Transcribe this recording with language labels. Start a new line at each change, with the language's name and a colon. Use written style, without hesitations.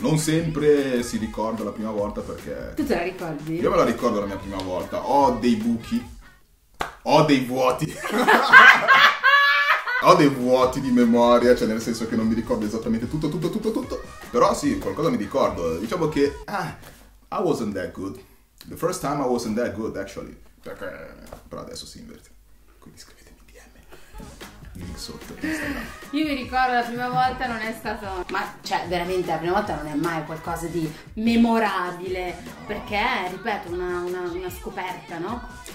Italian: Non sempre si ricorda la prima volta Tu te perché la ricordi? io me la ricordo la mia prima volta, ho dei buchi, ho dei vuoti. Ho dei vuoti di memoria, cioè nel senso che non mi ricordo esattamente tutto, tutto, tutto, tutto. Però sì, qualcosa mi ricordo. Diciamo che,
English: I wasn't that good. The first time I wasn't that good, actually.
Italian: Perché, però adesso si inverte. Quindi scrivetemi DM. Link sotto, Instagram. Io mi ricordo la prima volta non è stato. Ma cioè, veramente, la prima volta non è mai qualcosa di memorabile. Perché, ripeto, una scoperta, no?